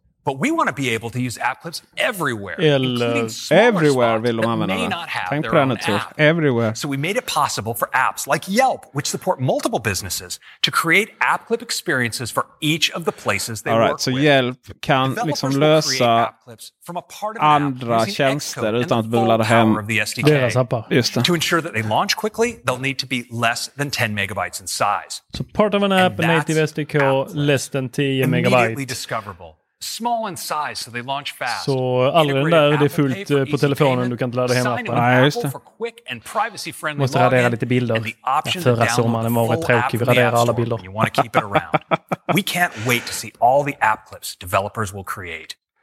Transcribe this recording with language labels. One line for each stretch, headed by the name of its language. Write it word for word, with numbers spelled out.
English: But we want to be able to use app clips everywhere.
Swedish: Eller everywhere vill de använda. Tänk på det nu till. Everywhere.
English: So we made it possible for apps like Yelp, which support multiple businesses, to create app clip experiences for each of the places they All right, work so with.
Swedish: Yelp kan liksom lösa andra tjänster utan att behöva ladda hem deras appar. Just det.
English: To ensure that they launch quickly, they'll need to be less than ten megabytes in size. So part of an app, a native S D K, less than ten megabytes. Immediately discoverable. Small in size, so they launch fast.
Swedish: Så alla den där, det är fullt uh, på telefonen, du kan inte ladda hem appen. Nej, just det. Måste radera lite bilder. Ja, förra sommaren var rätt tråkig, vi raderade alla bilder.
English: We can't wait to see all the app clips developers will create.